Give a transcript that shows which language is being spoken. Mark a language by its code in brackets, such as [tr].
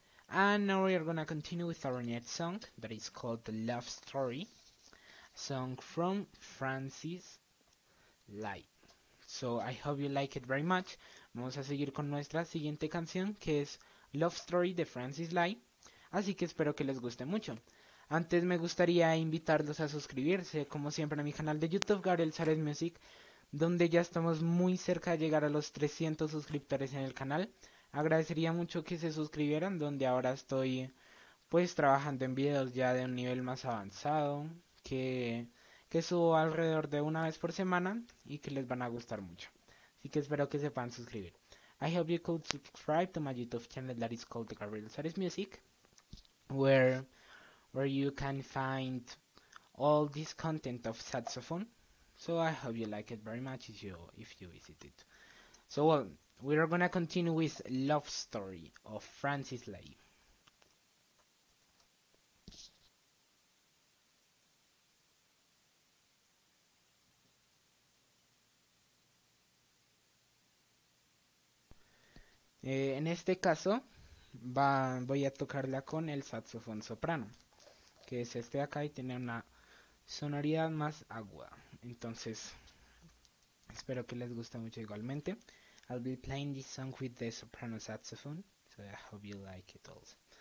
[en] And now we are gonna continue with our next song that is called The Love Story. Song from Francis Lai. So, I hope you like it very much. [es] Vamos a seguir con nuestra siguiente canción, que es Love Story de Francis Lai. Así que espero que les guste mucho. Antes me gustaría invitarlos a suscribirse, como siempre, a mi canal de YouTube, Gabriel Suárez Music, donde ya estamos muy cerca de llegar a los 300 suscriptores en el canal. Agradecería mucho que se suscribieran, donde ahora estoy pues trabajando en videos ya de un nivel más avanzado, que subo alrededor de una vez por semana y que les van a gustar mucho. Así que espero que se puedan suscribir. [en] I hope you could subscribe to my YouTube channel that is called Gabriel Suárez Music, where you can find all this content of saxophone. So I hope you like it very much if you visit it. So well, we are gonna continue with Love Story of Francis Lai. [es] En este caso, voy a tocarla con el saxofón soprano, que es este de acá y tiene una sonoridad más aguda. Entonces, espero que les guste mucho igualmente. [en] I'll be playing this song with the soprano saxophone, so I hope you like it also.